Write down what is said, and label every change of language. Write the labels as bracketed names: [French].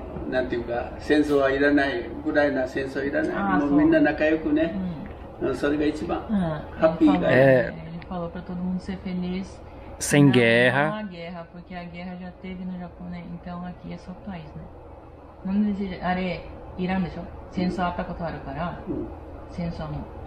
[Japanese] なんていうか戦争はいらない、ウクライナ戦争はいらない、ああもうみんな仲良くね、うん、それが一番、うん、ハッピーがいい。 [Portuguese] Ele falou para todo mundo ser feliz. Sem guerra. Não há guerra, porque a guerra já teve no Japão, né? Então aqui é só paz, né? Não existe, [Japanese] あれ、いらんでしょ?戦争あったことあるから、うん、戦争も。